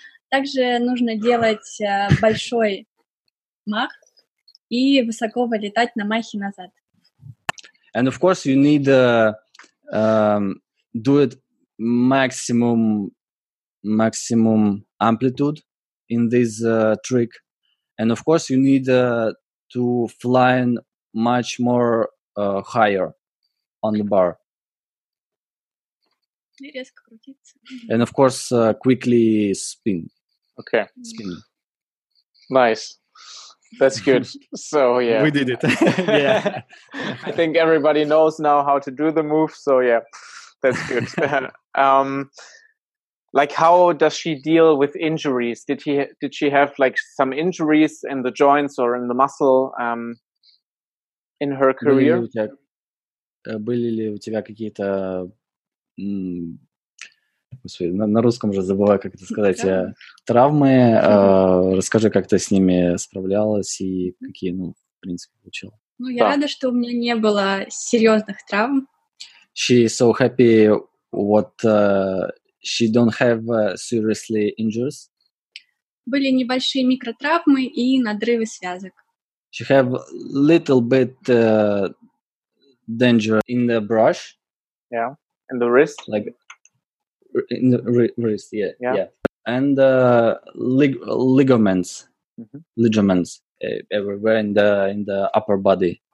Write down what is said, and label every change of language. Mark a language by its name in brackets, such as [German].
[Russian] Также нужно делать большой мах и высоко вылетать на махе назад. [English] And of course you need do it maximum amplitude in this trick. And of course you need to fly much more higher on the bar. [Russian] И резко крутиться. [English] And of course quickly spin. Okay. Spin. Nice. That's good. So yeah, we did it. Yeah, I think everybody knows now how to do the move. So yeah, that's good. Like, how does she deal with injuries? Did she have like some injuries in the joints or in the muscle in her career? [Russian] Были ли у тебя какие-то на русском же забываю, как это сказать, травмы, расскажи, как ты с ними справлялась и какие, ну, в принципе, получила. Ну, я рада, что у меня не было серьезных травм. [English] She so happy what she don't have seriously injuries. [Russian] Были небольшие микротравмы и надрывы связок. [English] She have little bit danger in the brush. Yeah, in the wrist. Like, in the wrist, yeah. And ligaments, mm-hmm. ligaments everywhere in the upper body.